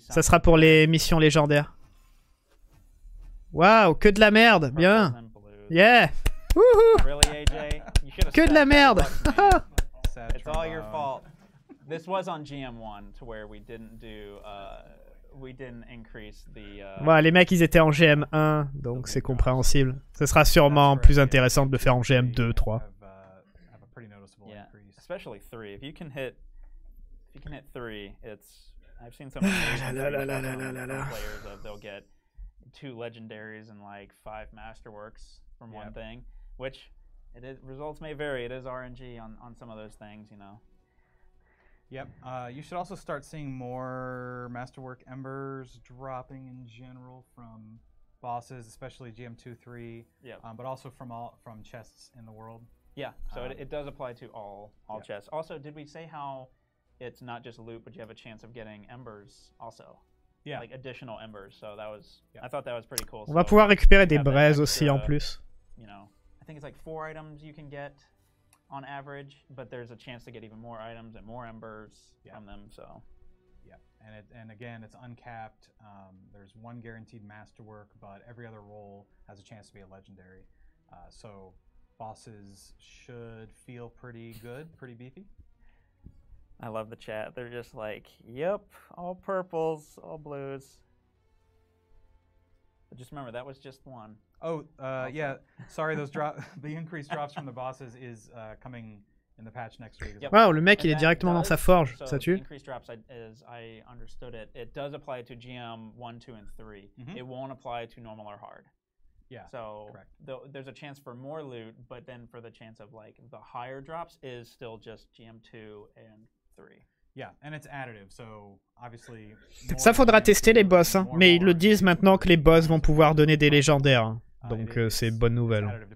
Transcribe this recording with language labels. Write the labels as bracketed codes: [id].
[fr] ça sera pour les missions légendaires. Waouh, que de la merde. Bien. [en] Yeah. Woohoo. Really, AJ? [fr] Que de la merde. [en] It's all your fault. This was on GM1 to where we didn't do we didn't increase the [fr] Voilà, les mecs ils étaient en GM1, donc c'est compréhensible. Ce sera sûrement plus intéressant de le faire en GM2, 3. [en] Have a pretty noticeable increase. Especially 3. If you can hit 3, it's I've seen some players of they'll get two legendaries and like five masterworks from one thing, which results may vary. It is RNG on some of those things, you know. Yep. You should also start seeing more masterwork embers dropping in general from bosses, especially GM2, 3. Yeah. But also from chests in the world. Yeah. So it does apply to all chests. Also, did we say how it's not just loot, but you have a chance of getting embers also? Yeah. Like additional embers. So that was. Yeah. I thought that was pretty cool. [fr] On va pouvoir récupérer des braises aussi en plus. [en] You know, I think it's like four items you can get on average, but there's a chance to get even more items and more embers from them, so. Yeah, and again, it's uncapped. There's one guaranteed masterwork, but every other role has a chance to be a legendary. So bosses should feel pretty good, pretty beefy. I love the chat. They're just like, yep, all purples, all blues. But just remember, that was just one. Oh, yeah. Sorry, those the increased drops from the bosses is coming in the patch next week. Yep. [fr] Wow, le mec, il est directement dans sa forge. [en] So [fr] ça tue? [en] The increased drops, I understood it. It does apply to GM 1, 2, and 3. Mm-hmm. It won't apply to normal or hard. Yeah, so there's a chance for more loot, but then for the chance of like the higher drops is still just GM 2 and 3. Yeah, and it's additive, so obviously... [fr] Ça faudra tester les boss, hein. Mais ils le disent maintenant que les boss vont pouvoir donner des légendaires. Donc c'est bonne nouvelle.